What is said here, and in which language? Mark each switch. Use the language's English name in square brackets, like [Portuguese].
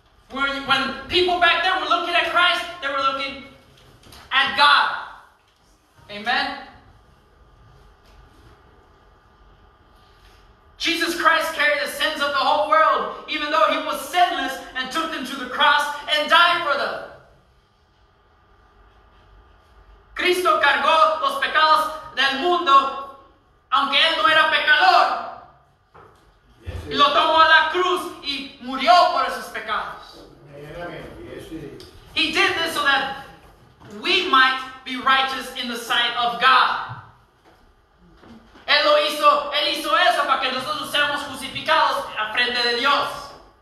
[English] When people back then were looking at Christ, they were looking at God. Amen. Jesus Christ carried the sins of the whole world, even though he was sinless, and took them to the cross and died for them. [Spanish] Cristo cargó los pecados del mundo, aunque él no era pecador. [English] Yes, [Spanish] y lo tomó a la cruz y murió por esos pecados. [English] Yes, he did this so that we might be righteous in the sight of God. [Spanish] Él hizo eso para que nosotros seamos justificados a frente de Dios.